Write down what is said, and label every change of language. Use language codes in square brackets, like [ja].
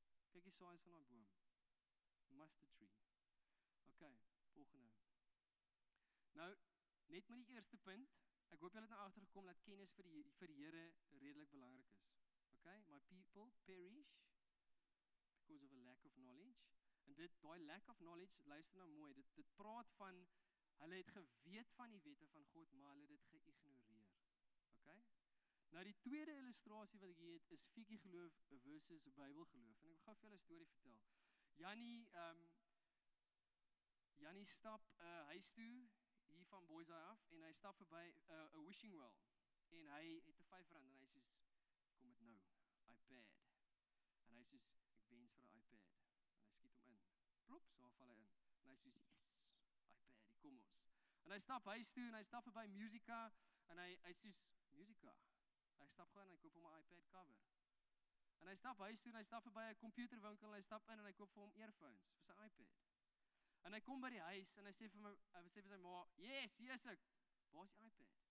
[af] Kyk die saais van die boom. Mustard tree. Ok, volgende. Nou, net met die eerste punt. Ek hoop julle het nou agtergekom dat kennis vir die Here redelik belangrik is. [en] Ok, my people perish because of a lack of knowledge. [af] En dit, die [en] lack of knowledge, [af] luister nou mooi, dit praat van, hulle het geweet van die wette van God, maar hulle het dit geïgnoreer. OK? Nou die tweede illustrasie wat ek hier het, is fietjie geloof versus bybelgeloof. En ek gaan vir julle 'n storie vertel. Jannie stap huis toe, hier van Boys Eye af, en hy stap voorbij a wishing well. En hy het 'n R5 en hy soos, kom het nou, iPad. En hy soos, ek wens vir 'n iPad. Hy skiet hom in, plop, so val hy in, en hy soos, yes, iPad, hier kom ons, en hy stap huis toe, en hy stap by Musica, en hy soos, Musica, hy stap gewoon, en hy koop hom 'n iPad cover, en hy stap huis toe, en hy stap by 'n computerwinkel, en hy stap in, en hy koop vir hom earphones, vir sy iPad, en hy kom by die huis, en hy sê vir sy ma, yes, hier is ek, waar is die iPad?